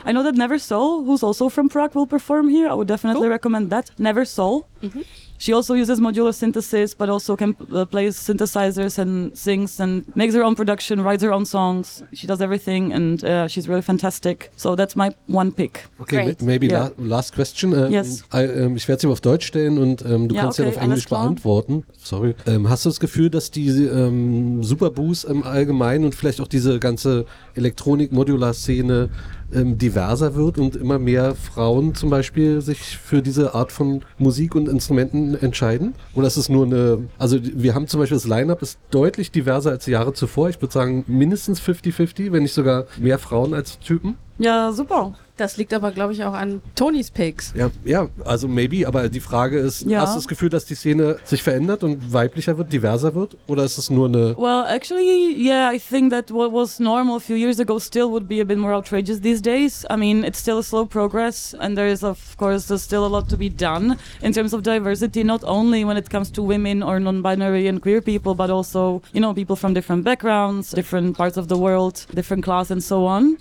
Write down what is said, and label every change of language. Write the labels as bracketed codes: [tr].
[en] I know that Never Soul, who's also from Prague, will perform here. I would definitely recommend that. Never Soul. She also uses modular synthesis, but also can play synthesizers and sings and makes her own production, writes her own songs. She does everything, and she's really fantastic. So that's my one pick. Okay, maybe last question. Yes. [de] Ich werde sie auf Deutsch stellen und du kannst sie auf Englisch beantworten. Sorry. Hast du das Gefühl, dass die Superboos im Allgemeinen und vielleicht auch diese ganze Elektronik-Modular-Szene diverser wird und immer mehr Frauen zum Beispiel sich für diese Art von Musik und Instrumenten entscheiden? Oder ist es nur eine, also wir haben zum Beispiel das Line-Up ist deutlich diverser als die Jahre zuvor. Ich würde sagen mindestens 50-50, wenn nicht sogar mehr Frauen als Typen. Ja, super. Das liegt aber, glaube ich, auch an Tonys Picks. Ja, ja, also maybe, aber die Frage ist, hast du das Gefühl, dass die Szene sich verändert und weiblicher wird, diverser wird? Oder ist es nur eine... [en] Well, actually, yeah, I think that what was normal a few years ago still would be a bit more outrageous these days. I mean, it's still a slow progress and there is, of course, still a lot to be done in terms of diversity, not only when it comes to women or non-binary and queer people, but also, you know, people from different backgrounds, different parts of the world, different class and so on.